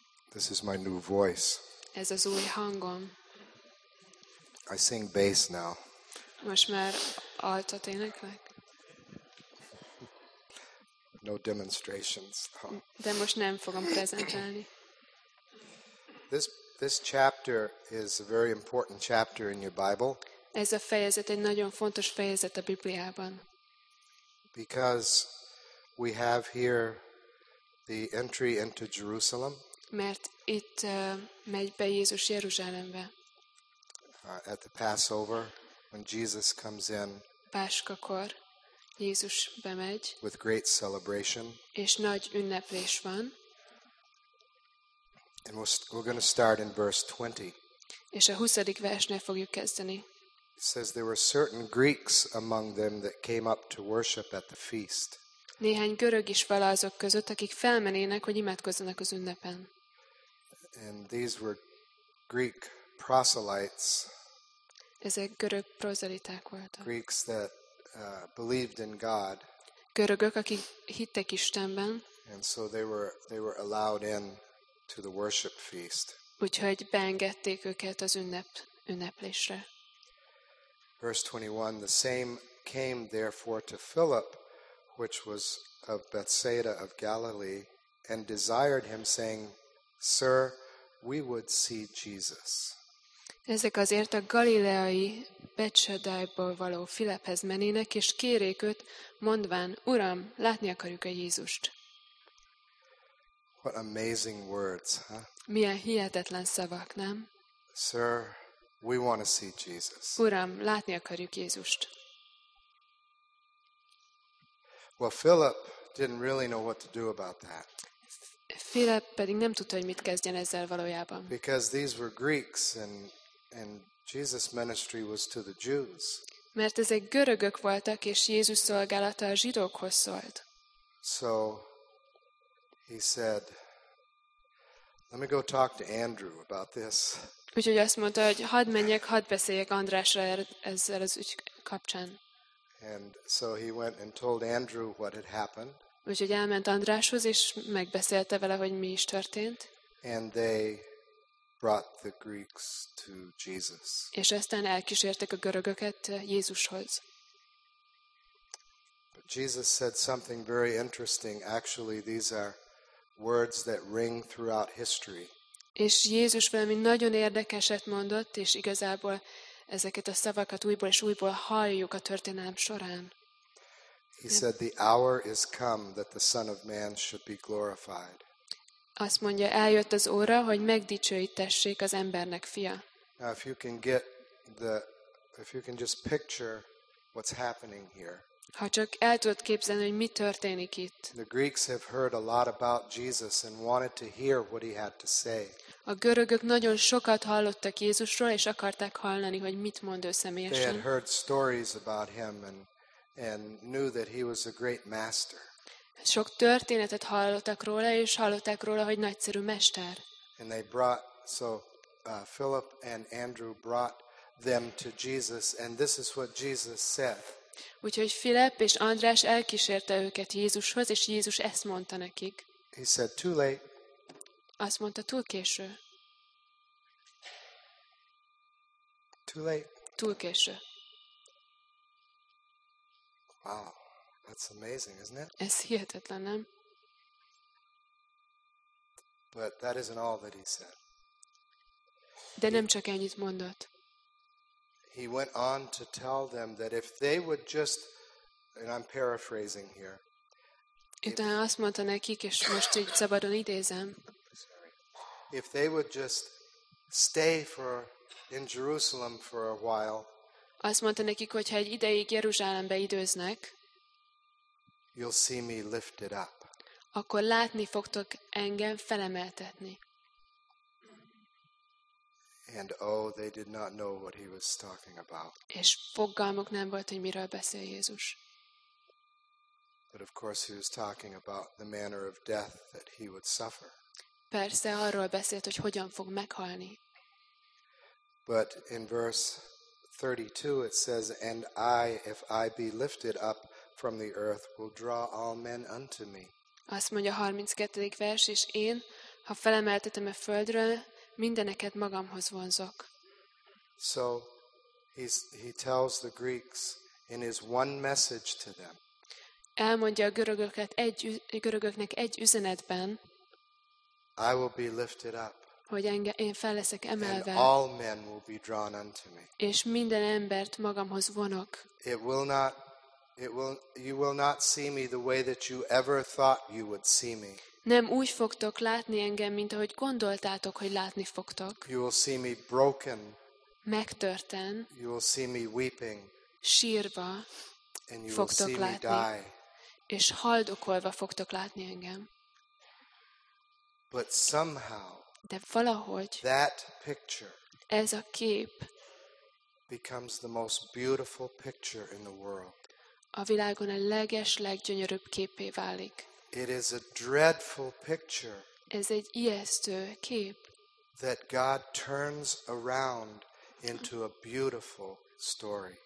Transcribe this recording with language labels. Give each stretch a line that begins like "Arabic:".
English: This is my new voice.
Hungarian: Ez az új hangom.
English: I sing bass now.
Hungarian: Most már altot éneklek.
English: No demonstrations.
Hungarian: De most nem fogom prezentálni.
English: This chapter is a very important chapter in your Bible.
Hungarian: Ez a fejezet egy nagyon fontos fejezet a Bibliában.
English: Because we have here the entry into Jerusalem.
Hungarian: Mert itt megy be Jézus Jeruzsálembe.
English: At the Passover, when Jesus comes in.
Hungarian: Páskakor Jézus bemegy.
English: With great celebration.
Hungarian: És nagy ünneplés van.
English: And we're going to start in verse 20.
Hungarian: És a 20. versnél fogjuk kezdeni.
English: It says there were certain Greeks among them that came up to worship at the feast.
Hungarian: Néhány görög is vala azok között, akik felmenének, hogy imádkozzanak az ünnepen.
English: And these were Greek proselytes.
Hungarian: Ezek görög prozeliták voltak.
English: Greeks that believed in God.
Hungarian: Görögök, akik hittek Istenben.
English: And so they were allowed in to the worship feast.
Hungarian: Úgyhogy beengedték őket az ünneplésre.
English: Verse 21, the same came therefore to Philip, which was of Bethsaida of Galilee, and desired him, saying, Sir, we would see Jesus.
Hungarian: Ezek azért a galileai Betsedájból való Filiphez menének, és kérék őt, mondván, Uram, látni akarjuk a Jézust.
English: What amazing words, huh?
Hungarian: Milyen hihetetlen szavak, nem?
English: Sir, we want to see Jesus.
Hungarian: Uram, látni akarjuk Jézust.
English: Well, Philip didn't really know what to do about that.
Hungarian: Philip pedig nem tudta, hogy mit kezdjen ezzel valójában.
English: Because these were Greeks and Jesus' ministry was to the Jews.
Hungarian: Mert ezek görögök voltak, és Jézus szolgálata a zsidókhoz szólt.
English: So he said, let me go talk to Andrew about this.
Hungarian: Úgyhogy azt mondta, hogy hadd menjek, hadd beszéljek Andrásra ezzel az ügy kapcsán.
English: And so he went and told Andrew what had happened.
Hungarian: Úgyhogy elment Andráshoz, és megbeszélte vele, hogy mi is történt.
English: And they brought the Greeks to Jesus.
Hungarian: És aztán elkísértek a görögöket Jézushoz.
English: But Jesus said something very interesting. Actually, these are words that ring throughout history.
Hungarian: És Jézus valami nagyon érdekeset mondott, és igazából ezeket a szavakat újból és újból halljuk a történelem során.
English: He said, the hour is come that the Son of Man should be glorified.
Hungarian: Azt mondja, eljött az óra, hogy megdicsőítessék az embernek fia.
English: Now, if you can just picture what's happening here.
Hungarian: Ha csak el tudod képzelni, hogy mi történik itt.
English: The Greeks have heard a lot about Jesus and wanted to hear what he had to say.
Hungarian: A görögök nagyon sokat hallottak Jézusról, és akarták hallani, hogy mit mond ő személyesen.
English: They had heard stories about him and knew that he was a great master.
Hungarian: Sok történetet hallottak róla, és hallották róla, hogy nagyszerű mester.
English: And they brought, Philip and Andrew brought them to Jesus, and this is what Jesus said.
Hungarian: Úgyhogy Filip és András elkísérte őket Jézushoz, és Jézus ezt mondta nekik.
English: He said, too late.
Hungarian: Azt mondta, túl késő.
English: Too late.
Hungarian: Túl késő.
English: Wow, that's amazing, isn't it?
Hungarian: Ez hihetetlen, nem?
English: But that isn't all that he said.
Hungarian: De nem csak ennyit mondott.
English: He went on to tell them that if they would just, and I'm paraphrasing here.
Hungarian: Utána azt mondta nekik, és most így szabadon idézem.
English: If they would just stay for in Jerusalem for a while.
Hungarian: Azt mondta nekik, hogy ha egy ideig Jeruzsálembe időznek,
English: you'll see me lifted up.
Hungarian: Akkor látni fogtok engem felemeltetni.
English: And oh, they did not know what he was talking about.
Hungarian: És fogalmuk nem volt, hogy miről beszél Jézus.
English: But of course he was talking about the manner of death that he would suffer.
Hungarian: Persze arról beszélt, hogy hogyan fog meghalni.
English: But in verse 32 it says, and I, if I be lifted up from the earth, will draw all men unto me.
Hungarian: Azt mondja a 32. vers, és én, ha felemeltetem a földről, mindeneket magamhoz vonzok.
English: So he tells the Greeks in his one message to them.
Hungarian: Elmondja a görögöket görögöknek egy üzenetben.
English: I will be lifted up.
Hungarian: Hogy én fel leszek emelve.
English: And all men will be drawn unto me.
Hungarian: És minden embert magamhoz vonok.
English: You will not see me the way that you ever thought you would see me.
Hungarian: Nem úgy fogtok látni engem, mint ahogy gondoltátok, hogy látni fogtok.
English: You will see me broken.
Hungarian: Megtörten.
English: You will see me weeping.
Hungarian: Sírva.
English: And you will see me die.
Hungarian: És haldokolva fogtok látni engem.
English: But somehow,
Hungarian: de valahogy
English: that picture,
Hungarian: ez a kép
English: becomes the most beautiful picture in the world.
Hungarian: A világon a leges, leggyönyörűbb képé válik.
English: It is a dreadful picture.
Hungarian: Ez egy ijesztő kép.
English: That God turns around into a beautiful story.